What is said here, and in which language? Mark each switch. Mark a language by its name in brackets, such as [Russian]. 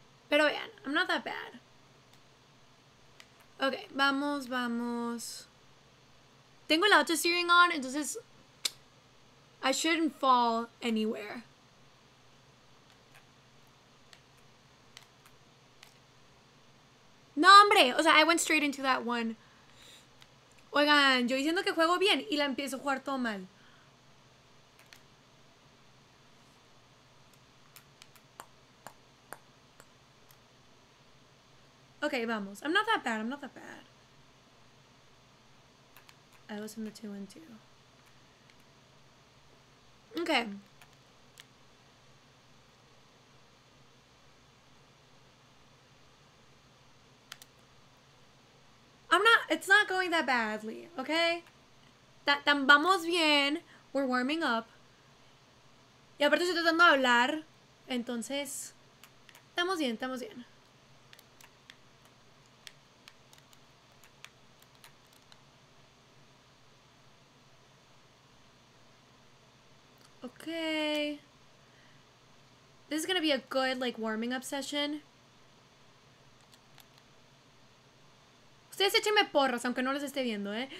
[Spanish] Pero vean, [English] I'm not that bad. [Spanish] Ok, vamos, vamos. Tengo el [English] auto steering on, [Spanish] entonces... [English] I shouldn't fall anywhere. [Spanish] No, hombre. O sea, [English] I went straight into that one. [Spanish] Oigan, yo diciendo que juego bien y la empiezo a jugar todo mal. Ok, vamos. [English] I'm not that bad, I'm not that bad. I was in the 2-1-2. Ok. I'm not, it's not going that badly, okay? [Spanish] Tan vamos bien, [English] we're warming up. [Spanish] Y aparte estoy tratando de hablar, entonces, estamos bien, estamos bien. Okay. [English] This is gonna be a good, like, warming up session. [Spanish] Ustedes échenme porras, aunque no les esté viendo, ¿eh?